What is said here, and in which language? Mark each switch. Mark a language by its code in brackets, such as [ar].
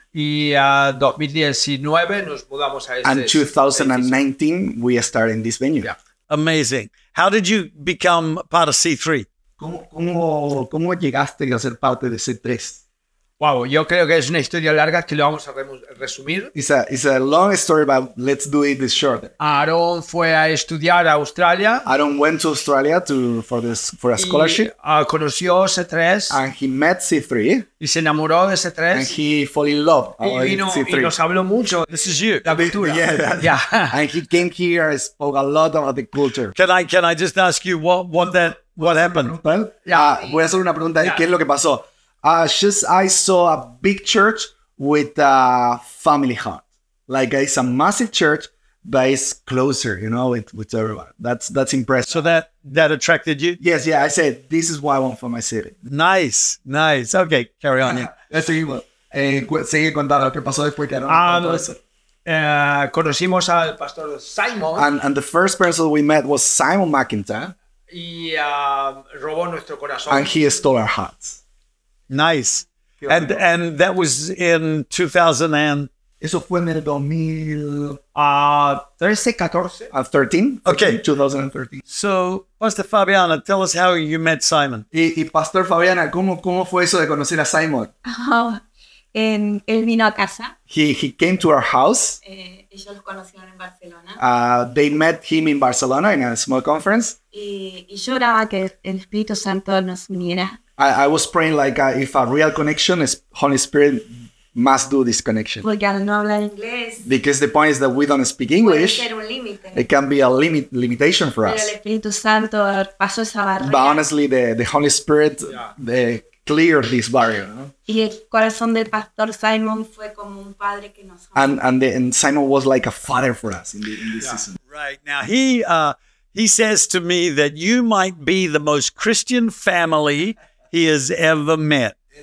[es] Y 2019 nos mudamos a este. [en] And 2019 we started in this venue. Yeah. Amazing. How did you become part of C3? [es] ¿Cómo llegaste a ser parte de C3? Wow, yo creo que es una historia larga que lo vamos a resumir. [en] It's a long story, but let's do it this short. [es] Aaron fue a estudiar a Australia. [en] Aaron went to Australia for a scholarship. [es] Conoció C3. [en] And he met C3. [es] Y se enamoró de C3. [en] And he fell in love with [es] C3. Y nos habló mucho. [en] This is you. [es] La cultura. [en] Yeah. And he came here and spoke a lot about the culture. Can I just ask you what happened? Well, yeah. Voy a hacer una pregunta. Yeah. ¿Qué es lo que pasó? I saw a big church with a family heart. Like, it's a massive church, but it's closer, you know, with everyone. That's impressive. So that attracted you? Yes, yeah. I said, this is what I want for my city. Nice. Okay, carry on. Yeah. [es] Sigue contando lo que pasó después que no. Conocimos al pastor Simon. [en] And the first person we met was Simon McIntyre. [es] Y robó nuestro corazón. [en] And he stole our hearts. Nice. And that was in 2000 and... [es] Eso fue en el 2000... 13. [en] Okay. 2013. So, Pastor Fabiana, tell us how you met Simon. [es] Y Pastor Fabiana, ¿cómo fue eso de conocer a Simon? Él vino a casa. [en] He came to our house. [es] Ellos lo conocieron en Barcelona. [en] They met him in Barcelona in a small conference. [es] Y lloraba que el Espíritu Santo nos uniera. [en] I was praying like if a real connection is Holy Spirit must do this connection. [es] Porque no habla inglés. [en] Because the point is that we don't speak English. [es] Puede ser un límite. [en] It can be a limitation for us. [es] Pero el Espíritu Santo pasó esa barrera. [en] But honestly, the Holy Spirit they clear this barrier. [es] Y el corazón del pastor Simon fue como un padre que nos. [en] And Simon was like a father for us in this season. Right now he says to me that you might be the most Christian family he has ever met.